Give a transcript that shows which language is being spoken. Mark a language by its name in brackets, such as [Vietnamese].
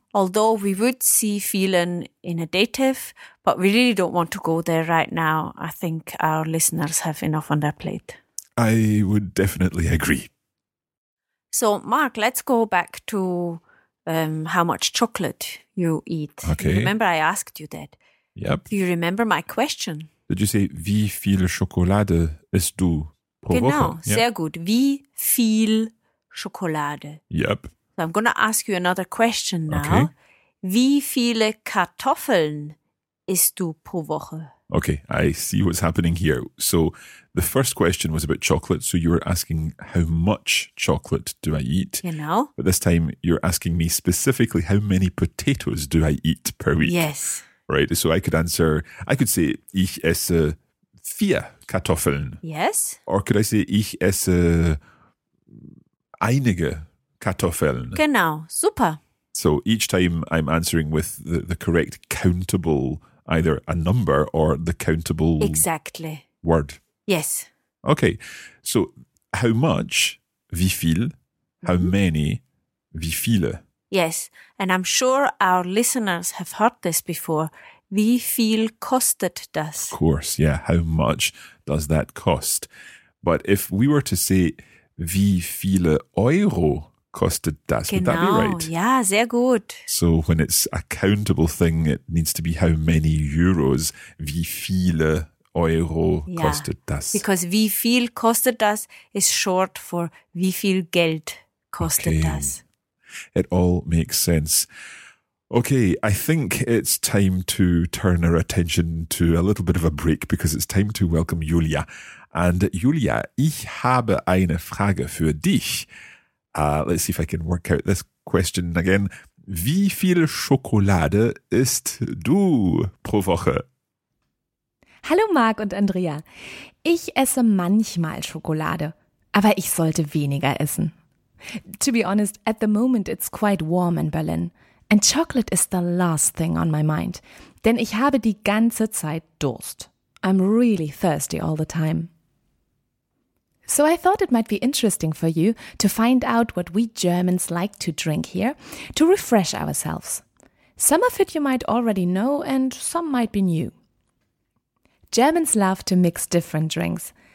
[English] Although we would see vielen in a dative, but we really don't want to go there right now. I think our listeners have enough on their plate. I would definitely agree. So, Mark, let's go back to how much chocolate you eat. Okay. You remember I asked you that? Yep. Do you remember my question? Did you say, [German] wie viel Schokolade isst du pro genau, Woche? Genau, sehr gut. Wie viel Schokolade? [English] Yep. So I'm going to ask you another question now. Okay. [German] Wie viele Kartoffeln isst du pro Woche? [English] Okay, I see what's happening here. So the first question was about chocolate. So you were asking, how much chocolate do I eat? [German] Genau. [English] But this time you're asking me specifically, how many potatoes do I eat per week? Yes. Right, so I could say, [German] ich esse vier Kartoffeln. [English] Yes. Or could I say, [German] ich esse einige Kartoffeln. Genau, super. [English] So each time I'm answering with the correct countable, either a number or the countable exactly word. Yes. Okay, so how much, [German] wie viel, [English] how many, [German] wie viele. [English] Yes, and I'm sure our listeners have heard this before. [German] Wie viel kostet das? [English] Of course, yeah. How much does that cost? But if we were to say, [German] wie viele Euro kostet das, genau. [English] Would that be right? [German] Yeah, sehr gut. [English] So when it's a countable thing, it needs to be how many euros, [German] wie viele Euro kostet das? [English] Because [German] wie viel kostet das [English] is short for [German] wie viel Geld kostet das? [English] It all makes sense. Okay, I think it's time to turn our attention to a little bit of a break because it's time to welcome Julia. [German] And Julia, ich habe eine Frage für dich. [English] Let's see if I can work out this question again. [German] Wie viel Schokolade isst du pro Woche? Hallo Marc und Andrea. Ich esse manchmal Schokolade, aber ich sollte weniger essen. [English] To be honest, at the moment it's quite warm in Berlin. And chocolate is the last thing on my mind. [German] Denn ich habe die ganze Zeit Durst. [English] I'm really thirsty all the time. So I thought it might be interesting for you to find out what we Germans like to drink here, to refresh ourselves. Some of it you might already know and some might be new. Germans love to mix different drinks.